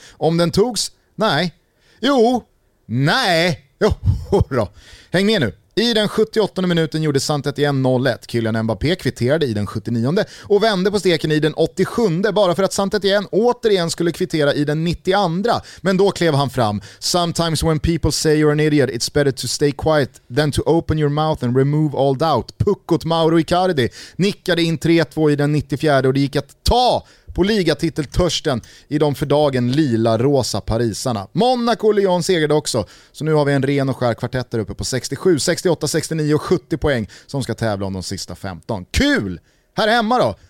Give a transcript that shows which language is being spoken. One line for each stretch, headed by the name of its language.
Swedish: Om den togs? Nej. Jo! Nej! Jo, då. Häng med nu. I den 78:e minuten gjorde Saint-Étienne 0-1. Kylian Mbappé kvitterade i den 79:e och vände på steken i den 87:e bara för att Saint-Étienne återigen skulle kvittera i den 92:a. Men då klev han fram.
English: Sometimes when people say you're an idiot, it's better to stay quiet than to open your mouth and remove all doubt.
Swedish: Puckot Mauro Icardi nickade in 3-2 i den 94:e och det gick att ta på ligatiteltörsten i de för dagen lila-rosa parisarna. Monaco och Lyon segrade också. Så nu har vi en ren och skär kvartett där uppe på 67, 68, 69 och 70 poäng som ska tävla om de sista 15. Kul! Här hemma då?